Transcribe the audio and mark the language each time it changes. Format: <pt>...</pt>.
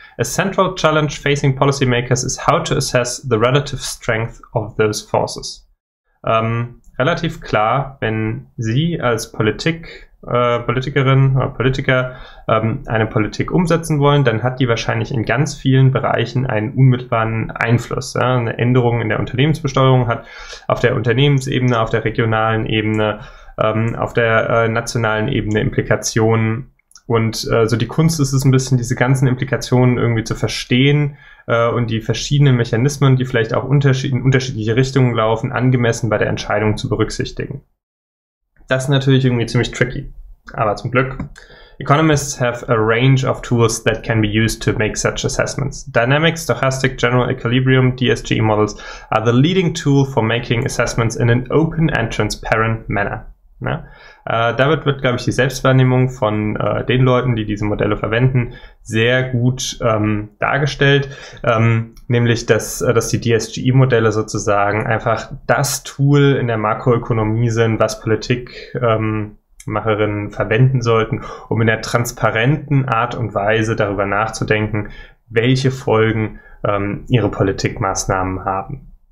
<en>A central challenge facing policymakers is how to assess the relative strength of those forces.</en> <de>Relativ klar, wenn Sie als Politikerin oder Politiker eine Politik umsetzen wollen, dann hat die wahrscheinlich in ganz vielen Bereichen einen unmittelbaren Einfluss. Ja? Eine Änderung in der Unternehmensbesteuerung hat auf der Unternehmensebene, auf der regionalen Ebene, auf der nationalen Ebene Implikationen. Und so die Kunst ist es ein bisschen, diese ganzen Implikationen irgendwie zu verstehen und die verschiedenen Mechanismen, die vielleicht auch in unterschiedliche Richtungen laufen, angemessen bei der Entscheidung zu berücksichtigen. Das ist natürlich irgendwie ziemlich tricky. Aber zum Glück.</de> <en>Economists have a range of tools that can be used to make such assessments. Dynamics, Stochastic, General Equilibrium, DSGE models are the leading tool for making assessments in an open and transparent manner.</en> <de>Ja? Damit wird, glaube ich, die Selbstwahrnehmung von den Leuten, die diese Modelle verwenden, sehr gut dargestellt, nämlich dass die DSGE-Modelle sozusagen einfach das Tool in der Makroökonomie sind, was Politikmacherinnen verwenden sollten, um in der transparenten Art und Weise darüber nachzudenken, welche Folgen ihre Politikmaßnahmen haben.</de>